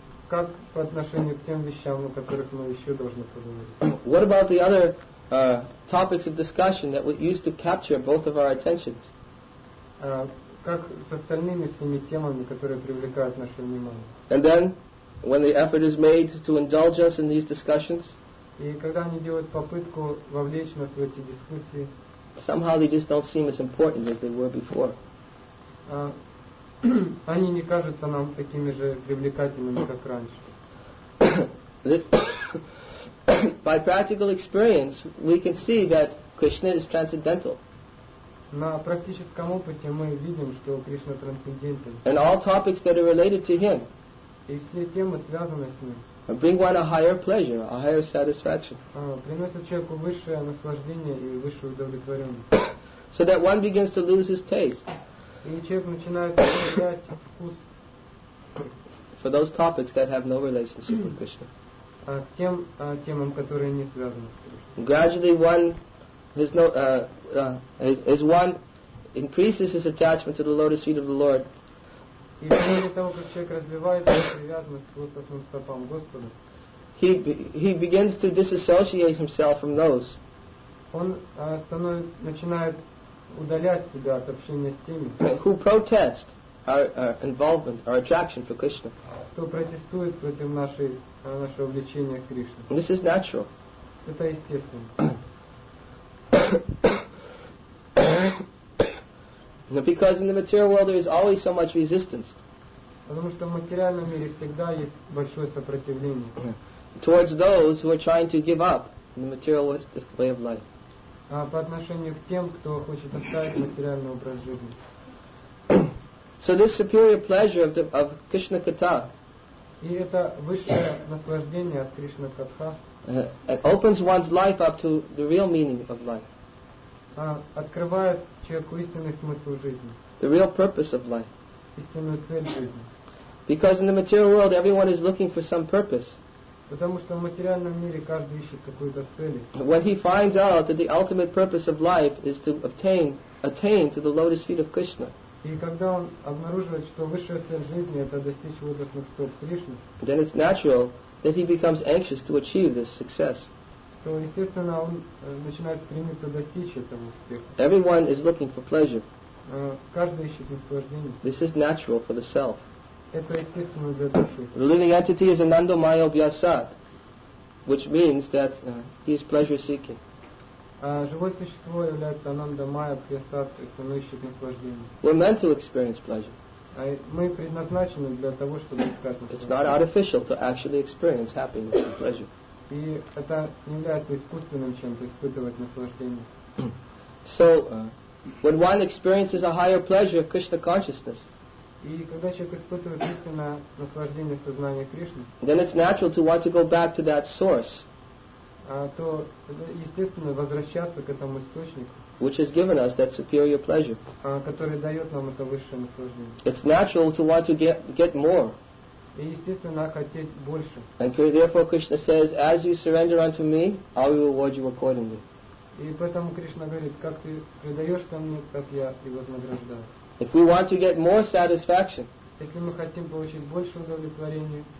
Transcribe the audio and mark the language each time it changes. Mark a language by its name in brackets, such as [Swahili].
[Russian] Как по отношению к тем вещам, о которых мы еще должны поговорить? [English] What about the other topics of discussion that used to capture both of our attentions? [Russian] Как с остальными всеми темами, которые привлекают наше внимание? [English] And then, when the effort is made to indulge us in these discussions, [Russian] и когда они делают попытку вовлечь нас в эти дискуссии, [English] somehow they just don't seem as important as they were before. [Russian] Они не кажутся нам такими же привлекательными, как раньше. [English] By practical experience, we can see that Krishna is transcendental. [Russian] На практическом опыте мы видим, что Кришна трансцендентен. [English] And all topics that are related to him. [Russian] И все темы связаны с ним. [English] Bring one a higher pleasure, a higher satisfaction. [Russian] Приносит человеку высшее наслаждение и высшее удовлетворение. [English] So that one begins to lose his taste. [Russian] И человек начинает потерять вкус. [English] For those topics that have no relationship with Krishna. [Russian] Тем темам, которые не связаны с Кришной. [English] Gradually one has no as one increases his attachment to the lotus feet of the Lord. [Russian] И по мере того, как человек развивает привязанность к лотосным стопам Господа, [English] he begins to disassociate himself from those. [Russian] Он начинает удалять себя от общения с теми, [English] who protest our involvement, our attraction for Krishna. [Russian] Кто протестует против нашего влечения к Кришне. [English] This is natural. [Russian] Это естественно. [English] Because in the material world there is always so much resistance. [Russian] Потому что в материальном мире всегда есть большое сопротивление. [English] Towards those who are trying to give up the materialistic way of life. [Russian] По отношению к тем, кто хочет оставить материальный образ жизни. [English] So this superior pleasure of Krishna Katha. [Russian] И это высшее наслаждение от Кришна Катха. [English] It opens one's life up to the real meaning of life. [Russian] Открывает человеку истинный смысл жизни. [English] The real purpose of life. [Russian] Истинную цель жизни. [English] Because in the material world everyone is looking for some purpose. [Russian] Потому что в материальном мире каждый ищет какую-то цель. [English] When he finds out that the ultimate purpose of life is to attain to the lotus feet of Krishna. [Russian] И когда он обнаруживает, что высшая цель жизни это достичь лотосных стоп Кришны. [English] Then it's natural that he becomes anxious to achieve this success. [Russian] То естественно он начинает стремиться достичь этого успеха. [English] Everyone is looking for pleasure. [Russian] Каждый ищет наслаждение. [English] This is natural for the self. [Russian] Это естественно для души. [English] The living entity is anandamaya vyasat, which means that he is pleasure seeking. [Russian] Живое существо является анандамая вьясат, то есть оно ищет наслаждение. [English] We're meant to experience pleasure. [Russian] Мы предназначены для того, чтобы искать наслаждение. [English] It's not artificial to actually experience happiness and pleasure. [Russian] И это не является искусственным чем-то испытывать наслаждение. [English] So, when one experiences a higher pleasure of Krishna consciousness. [Russian] И когда человек испытывает истинное наслаждение сознания Кришны. [English] Then it's natural to want to go back to that source. [Russian] То естественно возвращаться к этому источнику. [English] Which has given us that superior pleasure. [Russian] Который дает нам это высшее наслаждение. [English] It's natural to want to get more. [Russian] И естественно хотеть больше. [English] And therefore Krishna says, as you surrender unto me, I will reward you accordingly. [Russian] И поэтому Кришна говорит, как ты предаешься мне, так я и вознаграждаю. [English] If we want to get more satisfaction. [Russian] Если мы хотим получить больше удовлетворения.